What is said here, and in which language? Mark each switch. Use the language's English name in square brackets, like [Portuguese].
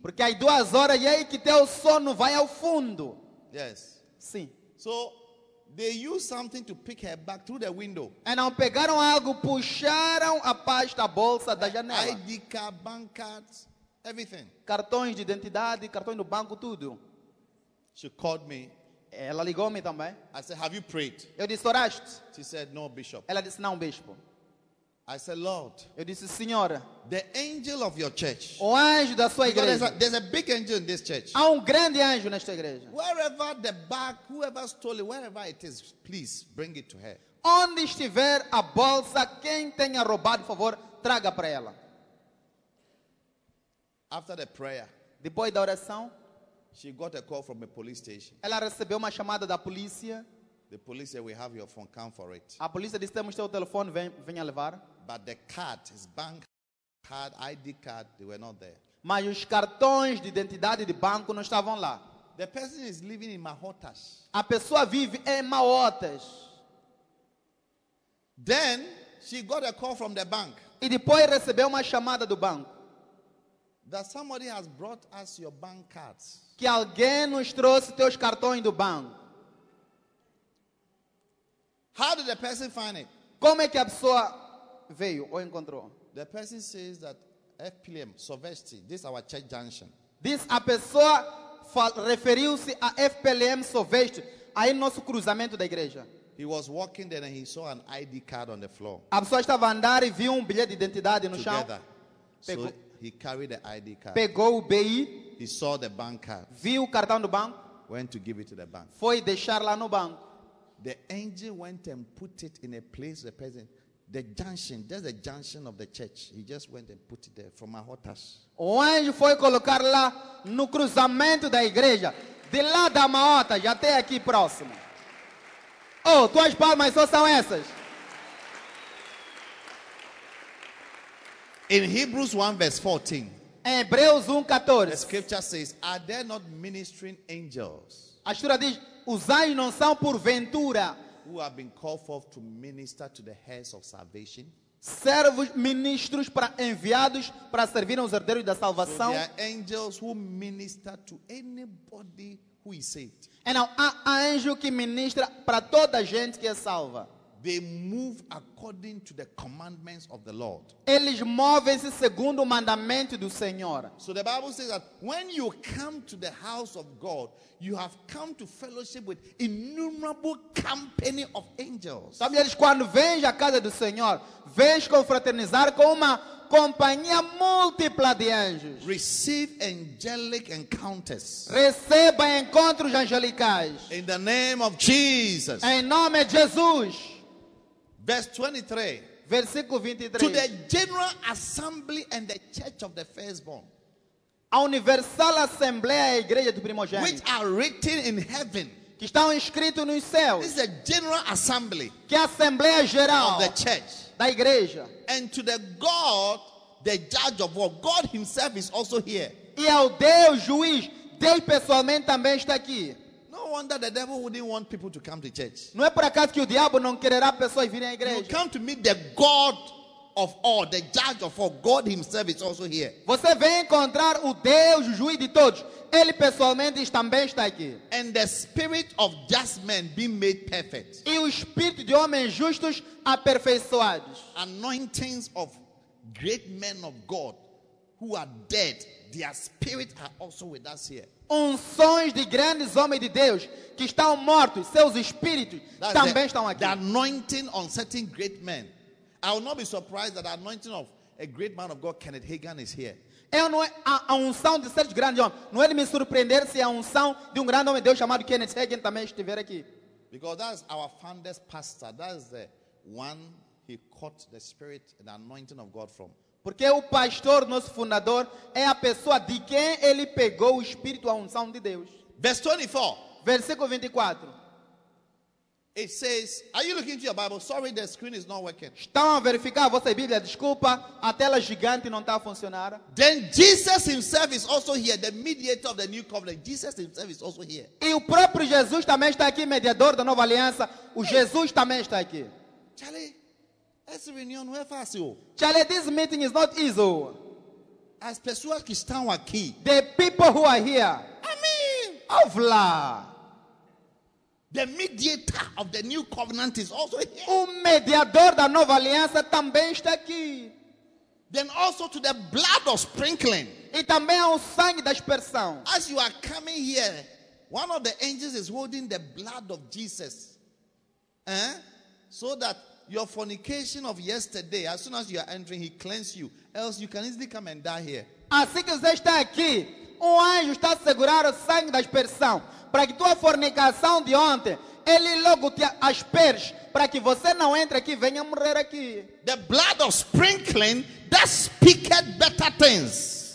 [Portuguese] Porque às 2 horas e aí que teu sono vai ao fundo. [English] Yes. [Portuguese] Sim. [English] So they use something to pick her back through the window. [Portuguese] E não pegaram algo, puxaram a pasta, a bolsa da janela. [English] ID card, bank cards, everything. [Portuguese] Cartões de identidade, cartões do banco, tudo. [English] She called me. [Portuguese] Ela ligou-me também. [English] I said, "Have you prayed?" [Portuguese] Eu disse, oraste? [English] She said, "No, bishop." [Portuguese] Ela disse, não, bispo. [English] I said, "Lord." [Portuguese] Eu disse, senhora. [English] The angel of your church. [Portuguese] O anjo da sua igreja. [English] There's a big angel in this church. [Portuguese] Há grande anjo nesta igreja. [English] Wherever the bag, whoever stole it, wherever it is, please bring it to her. [Portuguese] Onde estiver a bolsa, quem tenha roubado, por favor, traga para ela. [English] After the prayer. [Portuguese] Depois da oração. [English] She got a call from a police station. [Portuguese] Ela recebeu uma chamada da polícia. [English] The police said, "We have your phone. Come for it." [Portuguese] A polícia disse, temos seu telefone, venha levar. [English] But the card, his bank card, ID card, they were not there. [Portuguese] Mas os cartões de identidade de banco não estavam lá. [English] The person is living in Mahotas. [Portuguese] A pessoa vive em Mahotas. [English] Then she got a call from the bank. [Portuguese] E depois recebeu uma chamada do banco. [English] That somebody has brought us your bank cards. [Portuguese] Que alguém nos trouxe teus cartões do banco. [English] How did the person find it? [Portuguese] Como é que a pessoa veio ou encontrou? [English] The person says that FPLM, Sovesti, this is our church junction. [Portuguese] Diz a pessoa referiu-se a FPLM Sovesti, aí no nosso cruzamento da igreja. [English] He was walking there and he saw an ID card on the floor. [Portuguese] A pessoa estava andando e viu bilhete de identidade no [English] together. [Portuguese] Chão. [English] So he carried the ID card. [Portuguese] Pegou o BI. [English] He saw the bank card. [Portuguese] Viu o cartão do banco. [English] Went to give it to the bank. [Portuguese] Foi deixar lá no banco. [English] The angel went and put it in a place the person, the junction, there's the junction of the church. He just went and put it there from a Mahotas. [Portuguese] O anjo foi colocar lá no cruzamento da igreja, de lá da Mahotas, já até aqui próximo. Oh, tuas palmas só são essas. [English] In Hebrews 1 verse 14. [Portuguese] Em Hebreus 1:14. [English] The scripture says, "Are there not ministering angels?" [Portuguese] A Escritura diz, os anjos não são porventura [English] who have been called forth to minister to the heirs of salvation? [Portuguese] Servos, ministros para enviados para servir aos herdeiros da salvação. [English] So there are angels who minister to anybody who is saved. And now, [Portuguese] há anjo que ministra para toda a gente que é salva. [English] They move according to the commandments of the Lord. [Portuguese] Eles movem-se segundo o mandamento do Senhor. [English] So the Bible says that when you come to the house of God, you have come to fellowship with innumerable company of angels. [Portuguese] Sabe, eles quando vêm à casa do Senhor, vêm confraternizar com uma companhia múltipla de anjos. [English] Receive angelic encounters. [Portuguese] Receba encontros angelicais. [English] In the name of Jesus. [Portuguese] Em nome de Jesus. [English] Verse 23. [Portuguese] Versículo 23. [English] To the general assembly and the church of the firstborn. [Portuguese] A universal assembleia e igreja do primogênito. [English] Which are written in heaven. [Portuguese] Que estão escritos nos céus. [English] This is a general assembly. [Portuguese] Que é a assembleia geral. [English] Of the church. [Portuguese] Da igreja. [English] And to the God, the judge of all. God himself is also here. [Portuguese] E ao Deus juiz, Deus pessoalmente também está aqui. [English] No wonder the devil wouldn't want people to come to church. [Portuguese] Não é por acaso que o diabo não quererá pessoas virem à igreja. [English] You come to meet the God of all, the judge of all. God himself is also here. [Portuguese] Você vem encontrar o Deus, o juiz de todos. Ele pessoalmente também está aqui. [English] And the spirit of just men be made perfect. [Portuguese] E o espírito de homens justos aperfeiçoados. [English] Anointings of great men of God who are dead, their spirits are also with us here. [Portuguese] Unções de grandes homens de Deus que estão mortos, seus espíritos [English] that's [Portuguese] também [English] the, [Portuguese] estão aqui. [English] The anointing on certain great men. I will not be surprised that the anointing of a great man of God, Kenneth Hagin, is here. [Portuguese] Eu não é a unção de certos grandes homens. Não é de me surpreender se a unção de grande homem de Deus chamado Kenneth Hagin também estiver aqui. [English] Because that's our founder's pastor. That's the one he caught the spirit and anointing of God from. [Portuguese] Porque o pastor, nosso fundador, é a pessoa de quem ele pegou o espírito, a unção de Deus. [English] Verse 24. [Portuguese] Versículo 24. [English] It says, are you looking to your Bible? Sorry, the screen is not working. [Portuguese] Estão a verificar a vossa Bíblia? Desculpa, a tela gigante não está a funcionar. [English] Then Jesus himself is also here, the mediator of the new covenant. Jesus himself is also here. [Portuguese] E o próprio Jesus também está aqui, mediador da nova aliança. O Jesus também está aqui. Charlie, essa reunião não é fácil. [English] Charlie, this meeting is not easy. [Portuguese] As pessoas que estão aqui. [English] The people who are here. I mean, ovla. The mediator of the new covenant is also here. [Portuguese] O mediador da nova aliança também está aqui. [English] Then also to the blood of sprinkling. [Portuguese] E também ao sangue da aspersão. [English] As you are coming here, one of the angels is holding the blood of Jesus. Eh? So that your fornication of yesterday, as soon as you are entering, he cleanses you. Else you can easily come and die here. [Portuguese] Assim que você está aqui, um anjo está a segurar o sangue da aspersão. Para que tua fornicação de ontem, ele logo te asperge. Para que você não entre aqui, venha morrer aqui. [English] The blood of sprinkling that speaketh better things.